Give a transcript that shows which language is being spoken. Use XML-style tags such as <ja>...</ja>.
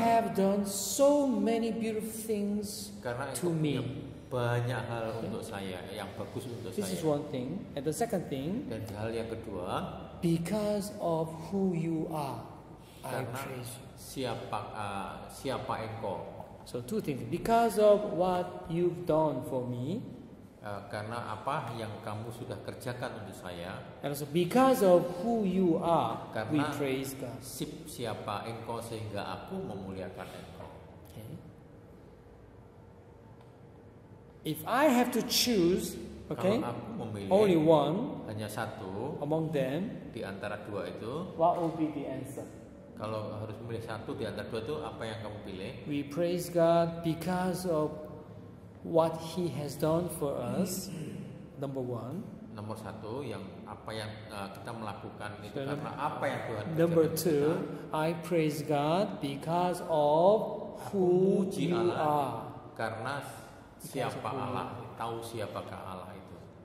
<en>Have done so many beautiful things</en> <id>karena</id> <en>to me.</en> <id>Banyak hal untuk saya yang bagus untuk</id> <en>this</en> <id>saya.</id> <en>This is one thing. And the second thing.</en> <id>Dan hal yang kedua.</id> <en>Because of who you are, I praise you.</en> <id>Siapa engkau?</id> <en>So two things. Because of what you've done for me.</en> <id>Karena apa yang kamu sudah kerjakan untuk saya.</id> <en>And so because of who you are, we praise God.</en> <id>Karena siapa engkau sehingga aku memuliakan engkau.</id> <en>If I have to choose, okay, only one,</en> <id>hanya satu,</id> <en>among them,</en> <id>di antara dua itu,</id> <en>what will be the answer?</en> <id>Kalau harus memilih satu di antara dua itu, apa yang kamu pilih?</id> <en>We praise God because of what He has done for us. Number one.</en> <id>Nomor satu, yang apa yang kita melakukan itu so, karena apa yang Tuhan kerjakan.</id> <en>Number two, I praise God because of who you are.</en> <id>Karena siapa Allah, tahu siapakah Allah itu.</id>